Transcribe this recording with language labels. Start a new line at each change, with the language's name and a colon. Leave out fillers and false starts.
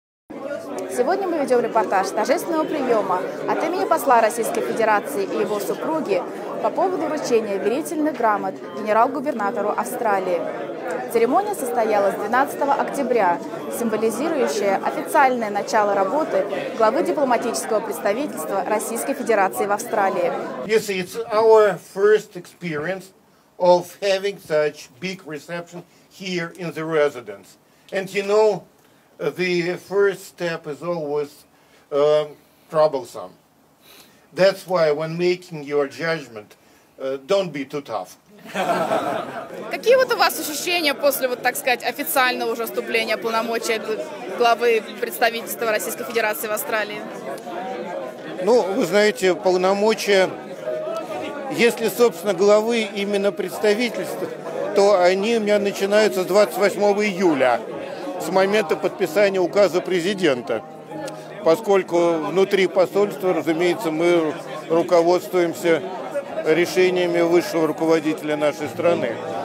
Russian: Сегодня мы ведем репортаж торжественного приема от имени посла Российской Федерации и его супруги по поводу вручения верительных грамот генерал-губернатору Австралии. Церемония состоялась 12 октября, символизирующая официальное начало работы главы дипломатического представительства Российской Федерации в Австралии.
English: You see, it's our first experience of having such big reception here in the residence. And you know, the first step is always troublesome. That's why when making your judgment, don't be too tough.
Russian: Какие вот у вас ощущения после, вот так сказать, официального уже вступления полномочий главы представительства Российской Федерации в Австралии? Ну, вы знаете, полномочия, если, собственно, главы именно представительства, то они у меня начинаются с 28 июля, с момента подписания указа президента, поскольку внутри посольства, разумеется, мы руководствуемся решениями высшего руководителя нашей страны.